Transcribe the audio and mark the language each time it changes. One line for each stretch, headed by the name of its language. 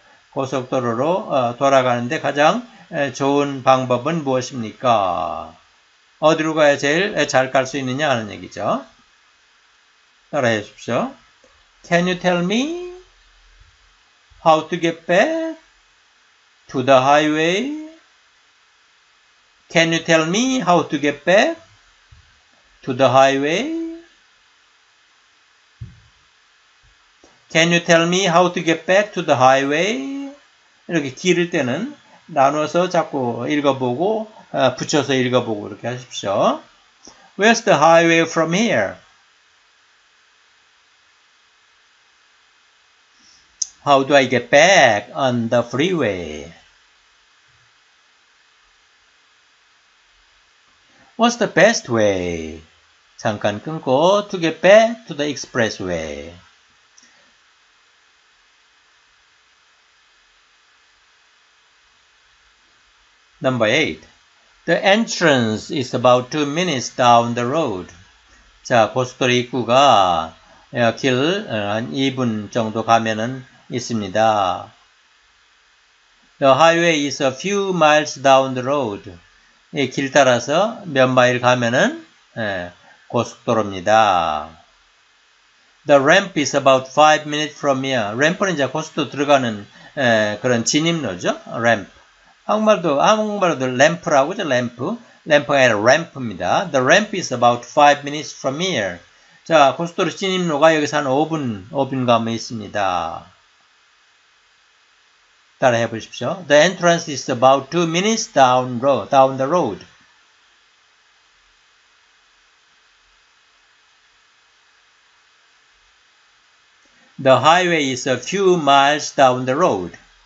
Korean: 고속도로로 돌아가는데 가장 좋은 방법은 무엇입니까? 어디로 가야 제일 잘 갈 수 있느냐 하는 얘기죠. 따라해 주십시오.
English: Can you tell me how to get back to the highway? Can you tell me how to get back to the highway? Can you tell me how to get back to the highway?
Korean: 이렇게 길을 때는 나눠서 자꾸 읽어보고 붙여서 읽어보고 이렇게 하십시오.
English: Where's the highway from here? How do I get back on the freeway? What's the best way?
Korean: 잠깐 끊고
English: to get back to the expressway. 8. The entrance is about 2 minutes down the road.
Korean: 자, 고속도로 입구가 길 한 2분 정도 가면은 있습니다.
English: The highway is a few miles down the road.
Korean: 이 길 따라서 몇 마일 가면은 고속도로입니다.
English: The ramp is about 5 minutes from here.
Korean: 램프는 이제 고속도로 들어가는 그런 진입로죠.
English: Ramp.
Korean: 한국말도 램프라고 하죠, 램프. 램프가 아니라 램프입니다.
English: The ramp is about 5 minutes from here.
Korean: 자, 고속도로 진입로가 여기서 한 5분 가면 있습니다. 따라해 보십시오.
English: The entrance is about 2 minutes down the road. The highway is a few miles down the road.